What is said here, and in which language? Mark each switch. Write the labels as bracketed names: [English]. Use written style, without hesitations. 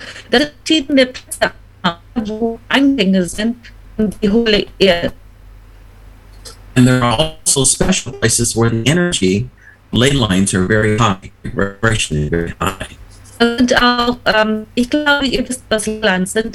[German] Da sind verschiedene Plätze, wo Eingänge sind in die hohle Erde. [English] And there are also special places where the energy. Ley lines are very high, vibration is very high. [German] Und auch, ich glaube, ihr wisst, was Ley lines sind.